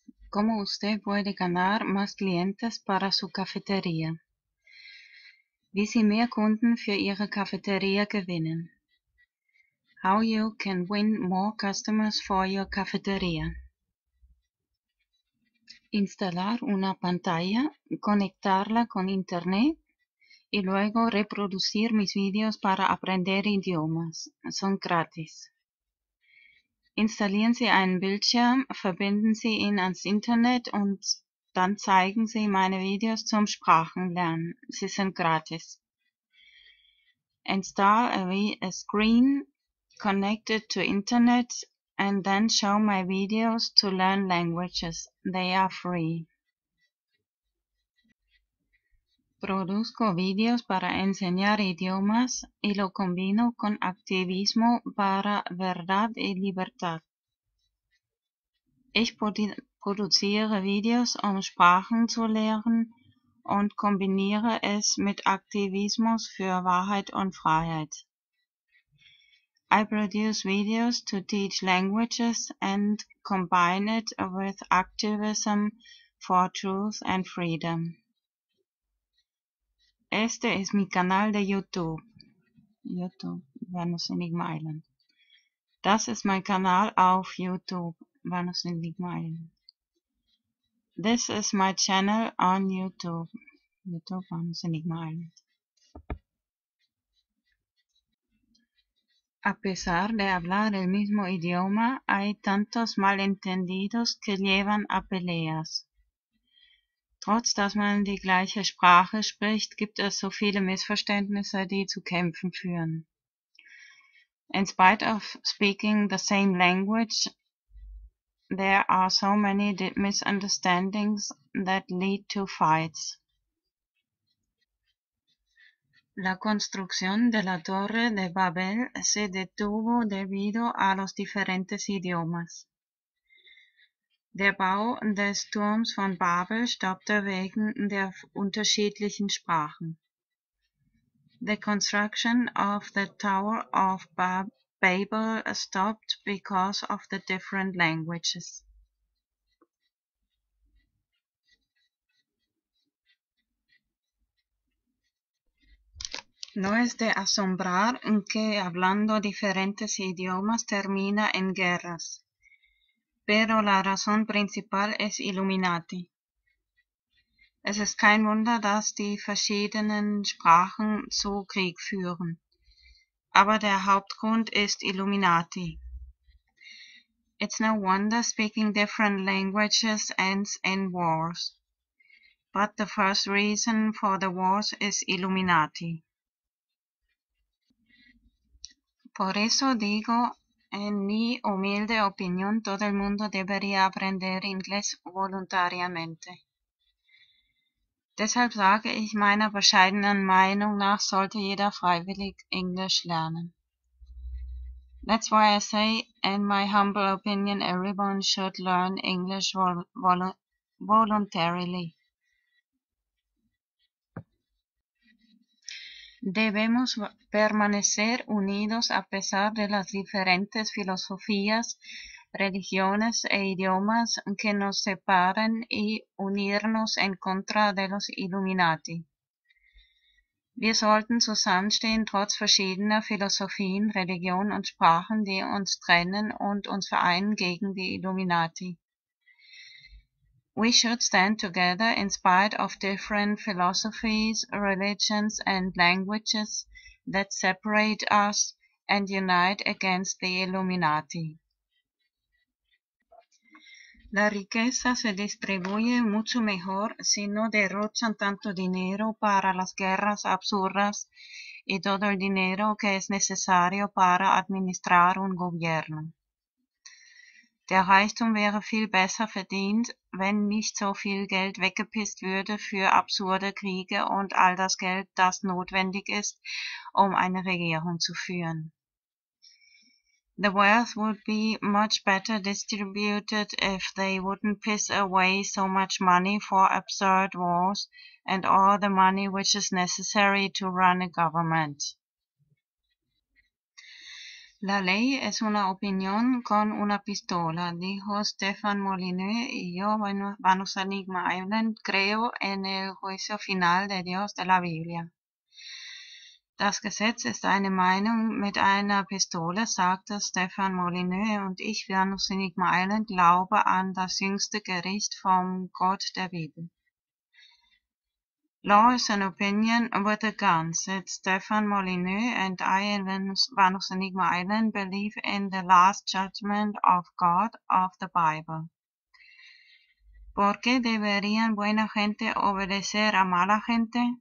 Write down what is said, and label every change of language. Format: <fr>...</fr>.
<es>¿Cómo usted puede ganar más clientes para su cafetería?</es> <de>Wie Sie mehr Kunden für Ihre Cafeteria gewinnen.</de> <en>How you can win more customers for your cafeteria.</en> <es>Instalar una pantalla, conectarla con internet y luego reproducir mis videos para aprender idiomas. Son gratis.</es> <de>Installieren Sie einen Bildschirm, verbinden Sie ihn ans Internet und dann zeigen Sie meine Videos zum Sprachenlernen. Sie sind gratis.</de> <en>Install a screen connected to Internet and then show my videos to learn languages. They are free.</en> <es>Produzco videos para enseñar idiomas y lo combino con activismo para verdad y libertad.</es> <de>Ich produziere Videos, um Sprachen zu lernen und kombiniere es mit Aktivismus für Wahrheit und Freiheit.</de> <en>I produce videos to teach languages and combine it with activism for truth and freedom.</en> <es>Este es mi canal de YouTube. YouTube, Venus in Enigma Island.</es> <de>Das ist mein Kanal auf YouTube, Venus in Enigma Island.</de> <en>This is my channel on YouTube, YouTube, Venus in Enigma Island.</en> <es>A pesar de hablar el mismo idioma, hay tantos malentendidos que llevan a peleas.</es> <de>Trotz dass man die gleiche Sprache spricht, gibt es so viele Missverständnisse, die zu Kämpfen führen.</de> <en>In spite of speaking the same language, there are so many misunderstandings that lead to fights.</en> <es>La construcción de la Torre de Babel se detuvo debido a los diferentes idiomas.</es> <de>Der Bau des Turms von Babel stoppte wegen der unterschiedlichen Sprachen.</de> <en>The construction of the Tower of Babel stopped because of the different languages.</en> <es>No es de asombrar que hablando diferentes idiomas termina en guerras. Pero la razón principal es Illuminati.</es> <de>Es ist kein Wunder, dass die verschiedenen Sprachen zu Krieg führen. Aber der Hauptgrund ist Illuminati.</de> <en>It's no wonder speaking different languages ends in wars. But the first reason for the wars is Illuminati.</en> <es>Por eso digo, en mi humilde opinión, todo el mundo debería aprender inglés voluntariamente.</es> <de>Deshalb sage ich meiner bescheidenen Meinung nach, sollte jeder freiwillig Englisch lernen.</de> <en>That's why I say, in my humble opinion, everyone should learn English voluntarily.</en> <es>Debemos permanecer unidos a pesar de las diferentes filosofías, religiones e idiomas que nos separen y unirnos en contra de los Illuminati.</es> <de>Wir sollten zusammenstehen trotz verschiedener Philosophien, Religionen und Sprachen, die uns trennen und uns vereinen gegen die Illuminati.</de> <en>We should stand together in spite of different philosophies, religions and languages that separate us and unite against the Illuminati.</en> <es>La riqueza se distribuye mucho mejor si no derrochan tanto dinero para las guerras absurdas y todo el dinero que es necesario para administrar un gobierno.</es> <de>Der Reichtum wäre viel besser verdient, wenn nicht so viel Geld weggepisst würde für absurde Kriege und all das Geld, das notwendig ist, um eine Regierung zu führen.</de> <en>The wealth would be much better distributed if they wouldn't piss away so much money for absurd wars and all the money which is necessary to run a government.</en> <es>La ley es una opinión con una pistola, dijo Stefan Molyneux, y yo, bueno, vamos a Enigma Island, creo en el juicio final de Dios de la Biblia.</es> <de>Das Gesetz ist eine Meinung mit einer Pistole, sagte Stefan Molyneux, und ich, Janus Enigma Island, glaube an das jüngste Gericht vom Gott der Bibel.</de> <en>Law is an opinion with a gun, said Stefan Molyneux, and I, Janus Enigma Island, believe in the last judgment of God of the Bible.</en> <es>¿Por qué deberían buena gente obedecer a mala gente?</es>